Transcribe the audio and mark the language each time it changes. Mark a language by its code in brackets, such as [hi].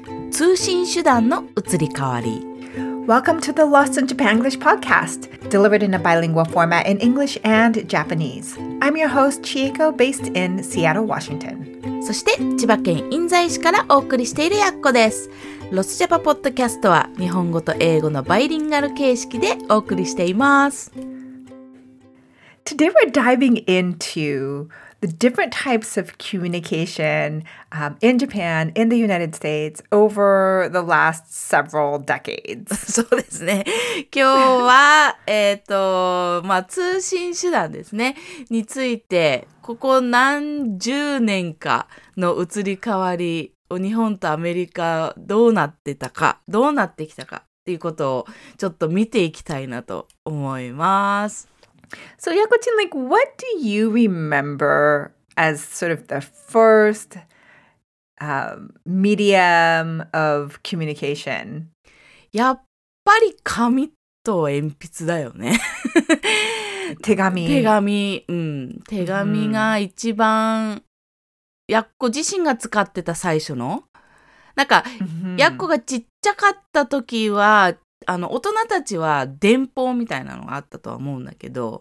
[ja] 通信手段の移り変わり [en] Welcome to the Lost in Japan English podcast, delivered in a bilingual format in English and Japanese. I'm your host, Chieko, based in Seattle, Washington. [ja] そして千葉県印西市からお送りしているやっこです。ロスジャパポッドキャストは日本語と英語のバイリンガル形式でお送りしています。 [en] Today we're diving into the different types of communication, in Japan, in the United States, over the last several decades. [ja] そうですね。今日は、まあ、通信手段ですね、について、ここ何十年かの移り変わり、日本とアメリカどうなってたか、どうなってきたかっていうことをちょっと見ていきたいなと思います。 [en] So, Yako-chan, like, what do you remember as sort of the first medium of communication? [ja] やっぱり紙と鉛筆だよね。手紙。手紙、うん。手紙が一番、Yako自身が使ってた最初の。なんか、Yako がちっちゃかった時は、あの大人たちは電報みたいなのがあったとは思うんだけど、